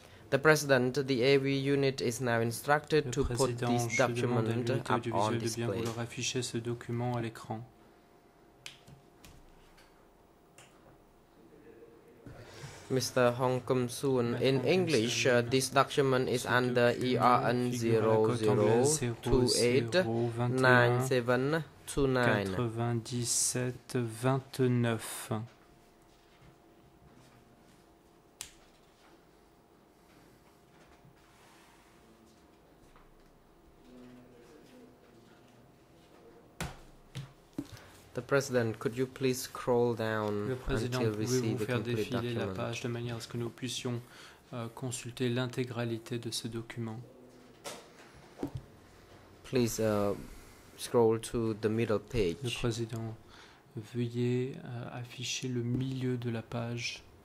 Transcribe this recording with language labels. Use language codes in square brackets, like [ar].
[en] The President, the AV unit is now instructed to put this document up on display. [fr] De bien vouloir afficher ce document à l'écran. [en] Mr. Hong Kim Soon, in English, this document is under ERN 00281 9729. The President, could you please scroll down until we see the complete document? [fr] Le président, pouvez-vous faire défiler la page de manière à ce que nous puissions consulter l'intégralité de ce document? [en] Please scroll to the middle page. [fr] Le président, veuillez afficher le milieu de la page.